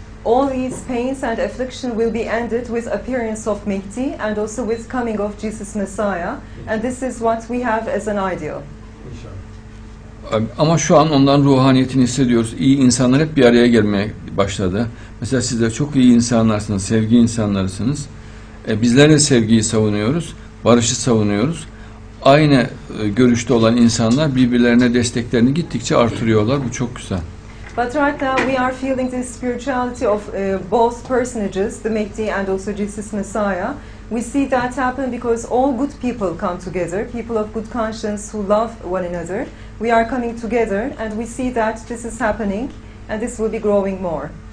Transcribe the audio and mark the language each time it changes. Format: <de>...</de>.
<en>All these pains and affliction will be ended with appearance of Mehdi and also with coming of Jesus Messiah. And this is what we have as an ideal.</en> <tr>Ama şu an ondan ruhaniyetini hissediyoruz. İyi insanlar hep bir araya gelmeye başladı. Mesela sizler çok iyi insanlarsınız, sevgi insanlarsınız. Bizler de sevgiyi savunuyoruz, barışı savunuyoruz. Aynı görüşte olan insanlar birbirlerine desteklerini gittikçe artırıyorlar. Bu çok güzel.</tr> <en>But right now we are feeling the spirituality of both personages, the Mehdi and also Jesus Messiah. We see that happen because all good people come together, people of good conscience who love one another. We are coming together and we see that this is happening and this will be growing more.</en>